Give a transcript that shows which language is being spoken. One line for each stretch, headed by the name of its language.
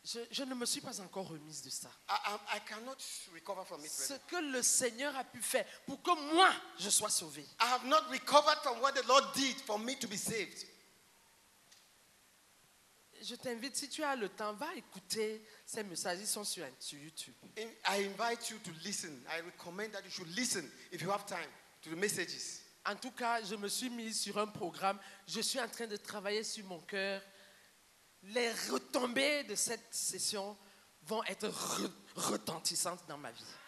French: Je ne me suis pas encore remise de ça.
English: I cannot recover from it. Ce really.
French: Que le Seigneur a pu faire pour que moi je sois sauvé.
English: I have not recovered from what the Lord did for me to be saved.
French: Je t'invite, si tu as le temps, va écouter ces messages. Ils sont sur YouTube.
English: I invite you to listen. I recommend that you should listen if you have time to the messages.
French: En tout cas, je me suis mise sur un programme. Je suis en train de travailler sur mon cœur. Les retombées de cette session vont être retentissantes dans ma vie.